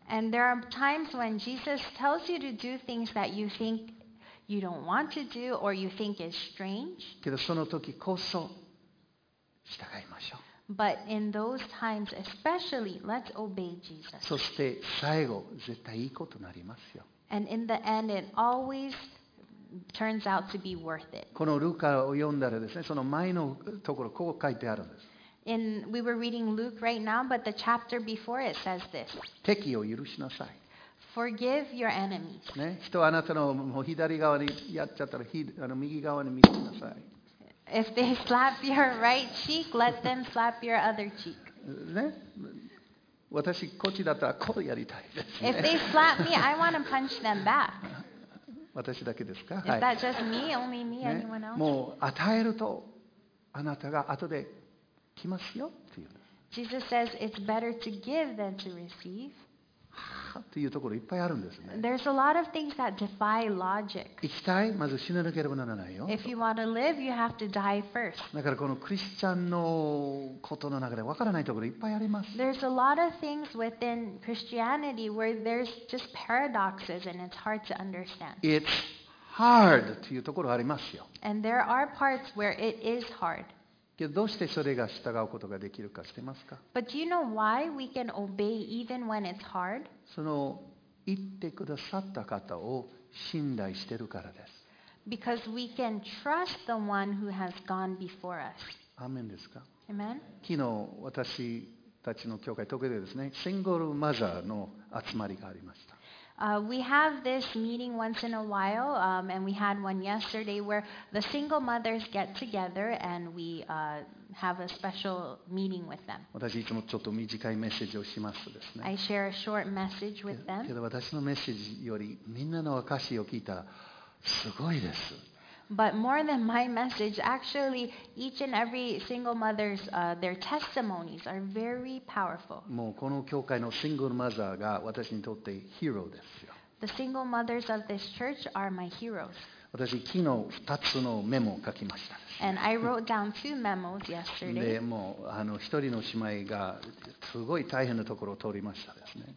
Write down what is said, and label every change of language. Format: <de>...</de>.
<en>And there are times when Jesus tells you to do things that you think you don't want to do or you think is strange.</en> <ja>けどその時こそ従いましょう。</ja> <en>But in those times especially, let's obey Jesus.</en> <ja>そして最後絶対いいことになりますよ。</ja> <en>And in the end, it always turns out to be worth it.</en> <ja>このルカを読んだらですね、その前のところこう書いてあるんです。</ja> <en>In we were reading Luke right now, but the chapter before it says this.</en> <ja>敵を許しなさい。</ja> <en>Forgive your enemies.</en> <ja>ね、人はあなたのもう左側にやっちゃったら、右側に見せなさい。</ja> <en>If they slap your right cheek, let them slap your other cheek.</en> <ja>ね、私こっちだったらこうやりたいですね。</ja> <en>If they slap me, I want to punch them back.</en> <ja>私だけですか。</ja> <en>Is that just me? Only me? Anyone else?</en> <ja>もう与えるとあなたが後で来ますよっていう。</ja> <en>Jesus says it's better to give than to receive.</en> <ja>というところいっぱいあるんですね。</ja> <en>There's a lot of things that defy logic.</en> <ja>生きたい、まず死ななければならないよ。</ja> <en>If you want to live, you have to die first.</en> <ja>だからこのクリスチャンのことの中でわからないところいっぱいあります。</ja> <en>There's a lot of things within Christianity where there's just paradoxes and it's hard to understand. It's hard</en> <ja>というところありますよ。</ja> <en>And there are parts where it is hard.</en> <ja>けど、どうしてそれが従うことができるか知ってますか？</ja> <en>But do you know why we can obey even when it's hard?</en> <ja>その言ってくださった方を信頼してるからです。</ja> <en>Because we can trust the one who has gone before us.</en> <ja>アーメンですか？</ja> <en>Amen?</en> <ja>昨日私たちの教会特でですね、シングルマザーの集まりがありました。</ja> <en>We have this meeting once in a while, and we had one yesterday where the single mothers get together and we have a special meeting with them.</en> <ja>私いつもちょっと短いメッセージをしますですね。</ja> <en>I share a short message with them.</en> <ja>けど私のメッセージよりみんなの証を聞いたらすごいです。</ja> <en>But more than my message, actually, each and every single mother's their testimonies are very powerful.</en> <ja>もうこの教会のシングルマザーが私にとってヒーローですよ。</ja> <en>The single mothers of this church are my heroes.</en> <ja>私昨日2つのメモを書きました。</ja> <en>And I wrote down two memos yesterday.</en> <ja>でもう一人の姉妹がすごい大変なところを通りましたですね。</ja>